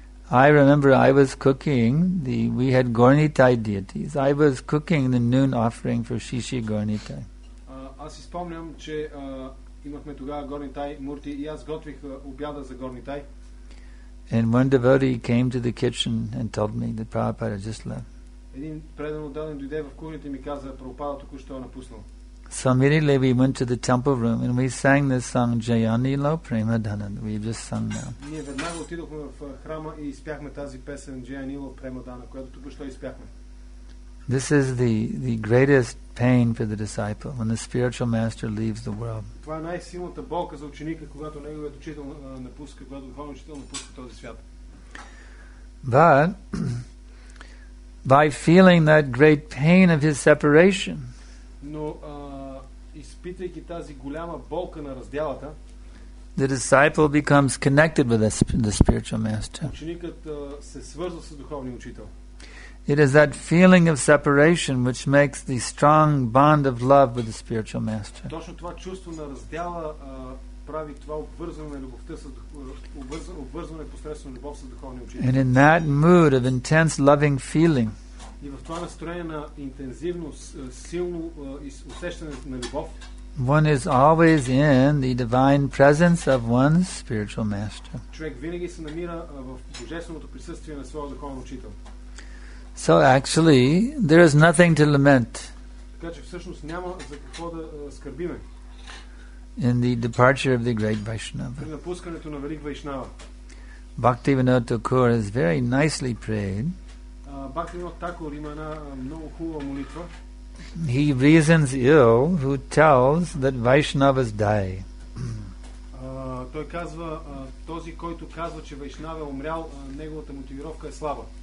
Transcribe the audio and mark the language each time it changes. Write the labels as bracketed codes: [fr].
[en] I remember I was cooking, we had Gornitai deities. I was cooking the noon offering for Shishi Gornitai. [bg] Аз си спомням, че имахме тогава Горнитай Мурти и аз готвих обяда за Горнитай. [en] And one devotee came to the kitchen and told me that Prabhupada just left. [bg] Един предан отдаден дойде в кухнята и ми каза, Прабхупада току-що е напуснал. [en] So immediately we went to the temple room and we sang this song, Jayanilo Prema Dhanan. We've just sung now. [bg] Ние веднага отидохме в храма и изпяхме тази песен, Jayanilo Prema Dhanan, която току-що изпяхме. [en] This is the greatest pain for the disciple when the spiritual master leaves the world. [bg] Това е най-силната болка за ученика, когато неговият учител напуска, когато духовният учител напуска този свят. [en] But by feeling that great pain of his separation, [bg] но изпитвайки тази голяма болка на разделата, [en] the disciple becomes connected with the spiritual master. [bg] Ученикът се свързва с духовния учител. [en] It is that feeling of separation which makes the strong bond of love with the spiritual master. [bg] Точно това чувство на раздяла прави това обвързване на любовта с обвързване посредством любов с духовния учител. [en] And in that mood of intense loving feeling. [bg] И в това настроение на интензивно силно усещане на любов. [en] One is always in the divine presence of one's spiritual master. [bg] Човек винаги се намира в божественото присъствие на своя духовен учител. [en] So actually, there is nothing to lament. [bg] Така че всъщност няма за какво да скърбиме. [en] In the departure of the great Vaishnava. [bg] При напускането на велик Вайшнава. [en] Bhaktivinoda Thakur is very nicely prayed. [bg] Bhaktivinoda Thakur има една много хубава молитва. [en] He reasons ill who tells that Vaishnavas die. [bg] Той казва, този който казва, че Вайшнава е умрял, неговата мотивировка е слаба.